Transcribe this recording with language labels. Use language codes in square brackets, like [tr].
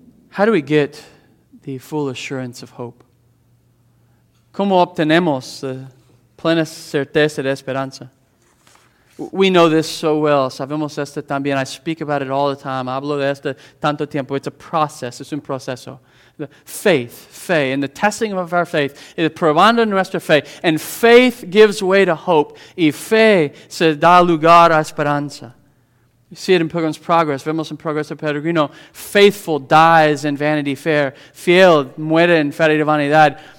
[en] How do we get the full assurance of hope? [es] ¿Cómo obtenemos la plena certeza de esperanza? [en] We know this so well. [es] Sabemos esto también. [en] I speak about it all the time. [es] Hablo de esto tanto tiempo. [en] It's a process. [es] Es un proceso. [en] The faith. [es] Fe. [en] In the testing of our faith. [es] Es probando nuestra fe. [en] And faith gives way to hope. [es] Y fe se da lugar a esperanza. [en] See it in Pilgrim's Progress. [es] Vemos en Progreso Peregrino. [en] Faithful dies in Vanity Fair. [es] Fiel muere en Feria de Vanidad.